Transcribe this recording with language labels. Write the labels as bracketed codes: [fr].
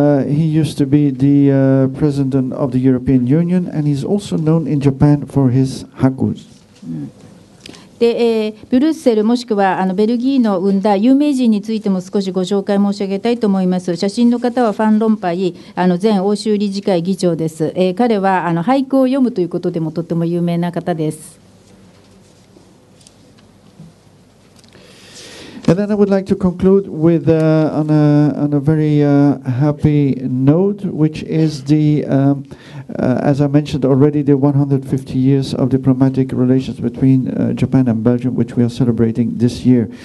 [en] He used to be the president of the European Union, and he's also known in Japan for his hakus. [ja] で、ブルッセルもしくはベルギーの生んだ有名人についても少しご紹介申し上げたいと思います。写真の方はファン・ロンパイ、前欧州理事会議長です。彼は俳句を読むということでもとても有名な方です。 [en] And then I would like to conclude with on a very happy note, which is the as I mentioned already, the 150 years of diplomatic relations between Japan and Belgium, which we are celebrating this year.